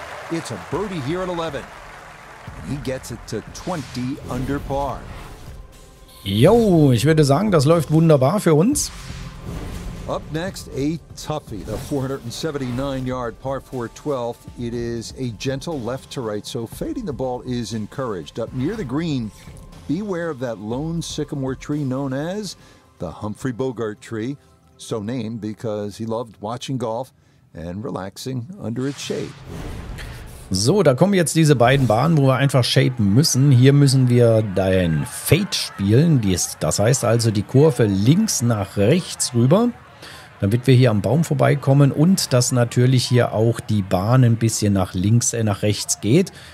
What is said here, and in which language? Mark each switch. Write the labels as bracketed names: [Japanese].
[English] It's a birdie here at 11. He gets it to 20 under par. [German] Jo, ich würde sagen, das läuft wunderbar für uns. [English] Up next, a toughie, the 479-yard par 4 12th. It is a gentle left to right, so fading the ball is encouraged. Up near the green, beware of that lone sycamore tree known as the Humphrey Bogart tree, so named because he loved watching golf and relaxing under its shade. [German] So, da kommen jetzt diese beiden Bahnen, wo wir einfach shapen müssen. Hier müssen wir dein Fade spielen. Das heißt also die Kurve links nach rechts rüber, damit wir hier am Baum vorbeikommen und dass natürlich hier auch die Bahn ein bisschen nach links, nach rechts geht.